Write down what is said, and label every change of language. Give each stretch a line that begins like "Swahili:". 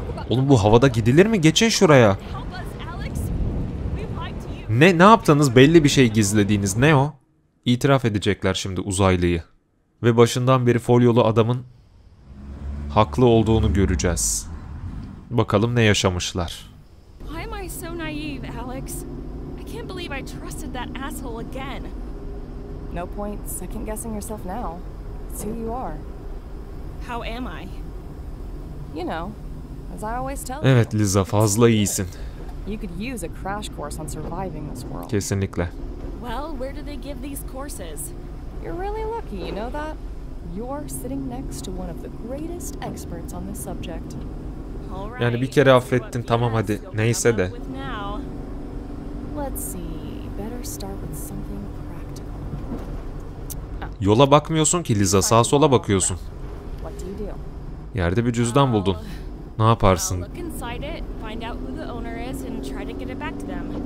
Turkish: Oğlum bu havada gidilir mi? Geçin şuraya. Ne yaptınız? Belli bir şey gizlediğiniz. Ne o? İtiraf edecekler şimdi uzaylıyı. Ve başından beri folyolu adamın haklı olduğunu göreceğiz. Bakalım ne yaşamışlar.
English: Why am I so naive, Alex? I can't believe I trusted that asshole again. No point second guessing yourself now. It's who you are. How am I? You know, as I always tell you.
Turkish: Evet Liza, fazla iyisin.
English: You could use a crash course on surviving this world.
Turkish: Kesinlikle.
English: Well, where do they give these courses? You're really lucky, you know that? You're sitting next to one of the greatest experts on this subject.
Turkish: Yani bir kere affettin, tamam hadi. Neyse de.
English: Let's see. Better start with something practical.
Turkish: Yola bakmıyorsun ki Liza, sağa sola bakıyorsun.
English: What do you do?
Turkish: Yerde bir cüzdan buldun. Ne yaparsın?
English: Look inside it, find out who the owner is and try to get it back to them.